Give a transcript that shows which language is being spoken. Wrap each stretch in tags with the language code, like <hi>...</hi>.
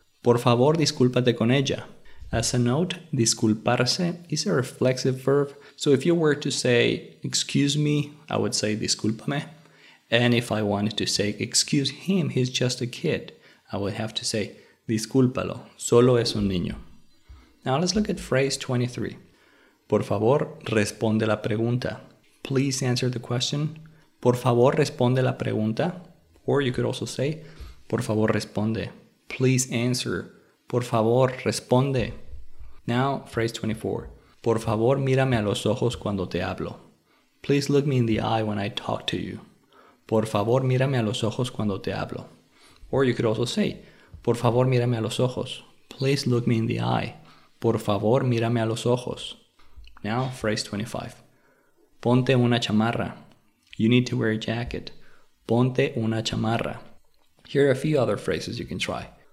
<es>Por favor, discúlpate con ella.</es> <en>As a note, disculparse is a reflexive verb. So if you were to say, excuse me, I would say, discúlpame. And if I wanted to say, excuse him, he's just a kid, I would have to say,</en> <es>discúlpalo, solo es un niño.</es> <en>Now let's look at phrase 23.</en> <es>Por favor, responde la pregunta.</es> <en>Please answer the question.</en> <es>Por favor, responde la pregunta.</es> <en>Or you could also say,</en> <es>por favor, responde.</es> <en>Please answer.</en> <es>Por favor, responde.</es> <en>Now, phrase 24.</en> <es>Por favor, mírame a los ojos cuando te hablo.</es> <en>Please look me in the eye when I talk to you.</en> <es>Por favor, mírame a los ojos cuando te hablo.</es> <en>Or you could also say,</en> <es>por favor, mírame a los ojos.</es> <en>Please look me in the eye.</en> <es>Por favor, mírame a los ojos.</es> <en>Now, phrase 25.</en> <es>Ponte una chamarra.</es> <en>You need to wear a jacket.</en> <es>Ponte una chamarra.</es> <en>Here are a few other phrases you can try.</en>